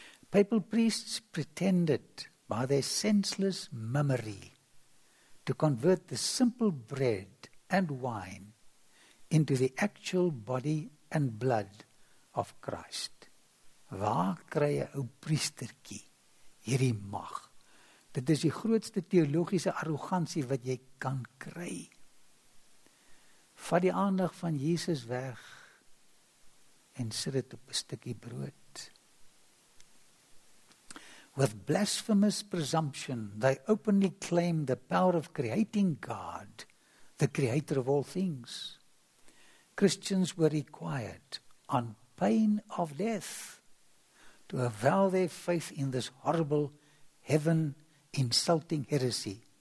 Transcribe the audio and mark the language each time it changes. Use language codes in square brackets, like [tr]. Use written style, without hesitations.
[en] Papal priests pretended by their senseless mummery to convert the simple bread and wine into the actual body and blood of Christ. [af] Waar kry jy ou priesterkie hierdie mag? Dit is die grootste theologiese arrogantie wat jy kan kry. Vat die aandag van Jesus weg en sit dit op 'n stukkie brood. [en] With blasphemous presumption, they openly claim the power of creating God, the creator of all things. Christians were required, on pain of death, to avow their faith in this horrible, heaven-insulting heresy.